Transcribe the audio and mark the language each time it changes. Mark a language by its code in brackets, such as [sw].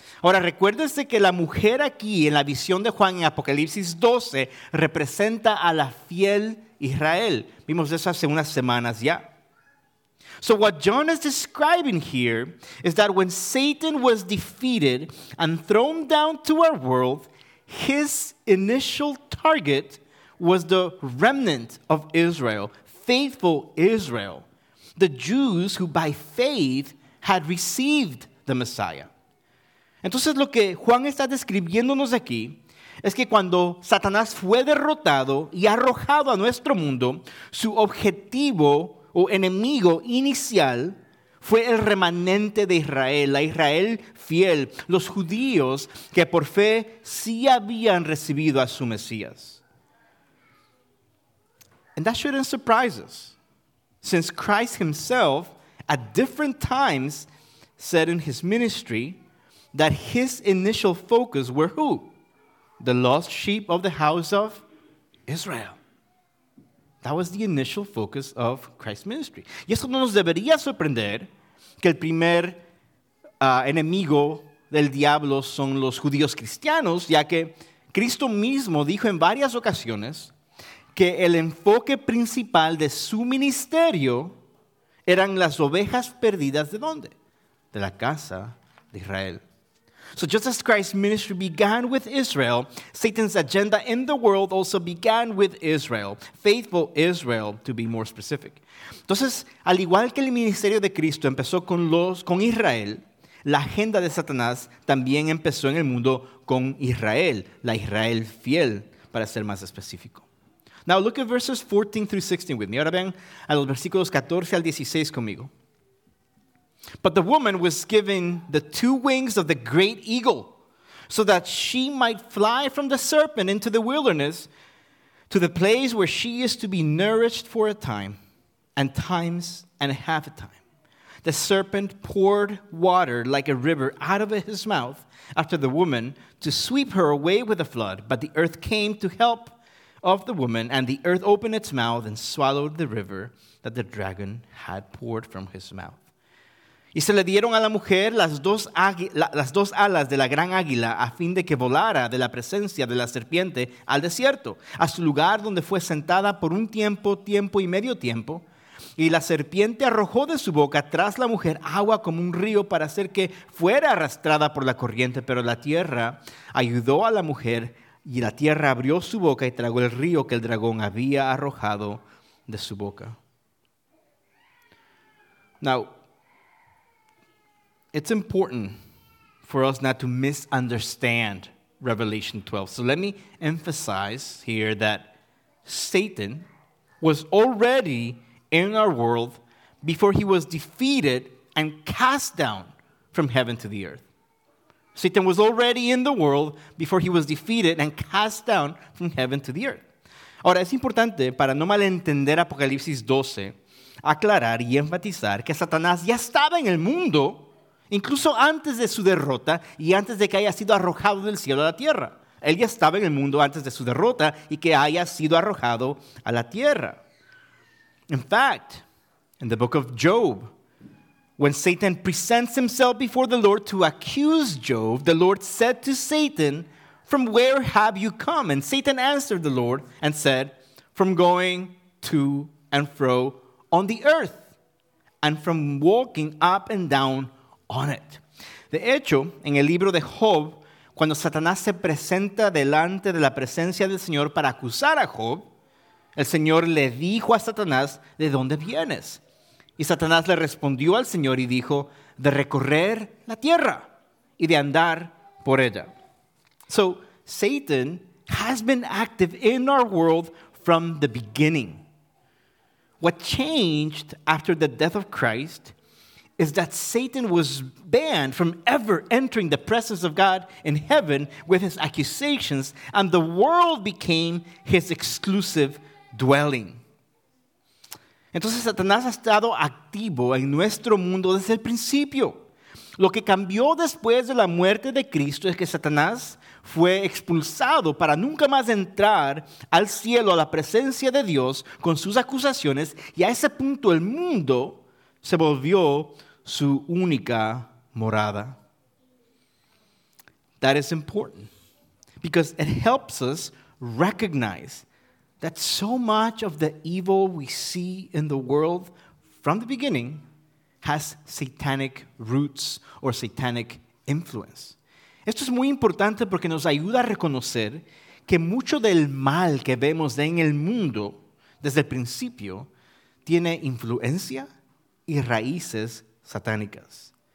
[es] Ahora, recuérdese que la mujer aquí en la visión de Juan en Apocalipsis 12 representa a la fiel Israel. Vimos eso hace unas semanas ya. [en] So what John is describing here is that when Satan was defeated and thrown down to our world, his initial target was the remnant of Israel, faithful Israel, the Jews who by faith had received the Messiah. [es] Entonces lo que Juan está describiéndonos aquí es que cuando Satanás fue derrotado y arrojado a nuestro mundo, su objetivo o enemigo inicial fue el remanente de Israel, la Israel fiel, los judíos que por fe sí habían recibido a su Mesías. [en] And that shouldn't surprise us, since Christ himself at different times said in his ministry that his initial focus were who? The lost sheep of the house of Israel. That was the initial focus of Christ's ministry. [es] Y eso no nos debería sorprender que el primer enemigo del diablo son los judíos cristianos, ya que Cristo mismo dijo en varias ocasiones que el enfoque principal de su ministerio eran las ovejas perdidas ¿de dónde? De la casa de Israel. [en] So just as Christ's ministry began with Israel, Satan's agenda in the world also began with Israel, faithful Israel, to be more specific. [es] Entonces, al igual que el ministerio de Cristo empezó con Israel, la agenda de Satanás también empezó en el mundo con Israel, la Israel fiel, para ser más específico. [en] Now look at verses 14 through 16 with me. [es] Ahora vean a los versículos 14 al 16 conmigo. [en] But the woman was given the two wings of the great eagle so that she might fly from the serpent into the wilderness to the place where she is to be nourished for a time and times and a half a time. The serpent poured water like a river out of his mouth after the woman to sweep her away with a flood. But the earth came to help of the woman and the earth opened its mouth and swallowed the river that the dragon had poured from his mouth. [es] Y se le dieron a la mujer las dos alas de la gran águila a fin de que volara de la presencia de la serpiente al desierto, a su lugar donde fue sentada por un tiempo, tiempo y medio tiempo. Y la serpiente arrojó de su boca tras la mujer agua como un río para hacer que fuera arrastrada por la corriente. Pero la tierra ayudó a la mujer y la tierra abrió su boca y tragó el río que el dragón había arrojado de su boca. [en] Now, it's important for us not to misunderstand Revelation 12. So let me emphasize here that Satan was already in our world before he was defeated and cast down from heaven to the earth. Satan was already in the world before he was defeated and cast down from heaven to the earth. [es] Ahora, es importante para no malentender Apocalipsis 12, aclarar y enfatizar que Satanás ya estaba en el mundo incluso antes de su derrota y antes de que haya sido arrojado del cielo a la tierra. Él ya estaba en el mundo antes de su derrota y que haya sido arrojado a la tierra. [en] In fact, in the book of Job, when Satan presents himself before the Lord to accuse Job, the Lord said to Satan, "From where have you come?" And Satan answered the Lord and said, "From going to and fro on the earth and from walking up and down on it." [es] De hecho, en el libro de Job, cuando Satanás se presenta delante de la presencia del Señor para acusar a Job, el Señor le dijo a Satanás, "¿De dónde vienes?" Y Satanás le respondió al Señor y dijo, "De recorrer la tierra y de andar por ella." [en] So, Satan has been active in our world from the beginning. What changed after the death of Christ is that Satan was banned from ever entering the presence of God in heaven with his accusations, and the world became his exclusive dwelling. [es] Entonces, Satanás ha estado activo en nuestro mundo desde el principio. Lo que cambió después de la muerte de Cristo es que Satanás fue expulsado para nunca más entrar al cielo, a la presencia de Dios con sus acusaciones, y a ese punto el mundo se volvió su única morada. [en] That is important because it helps us recognize that so much of the evil we see in the world from the beginning has satanic roots or satanic influence. [es] Esto es muy importante porque nos ayuda a reconocer que mucho del mal que vemos en el mundo desde el principio tiene influencia y raíces satánicas.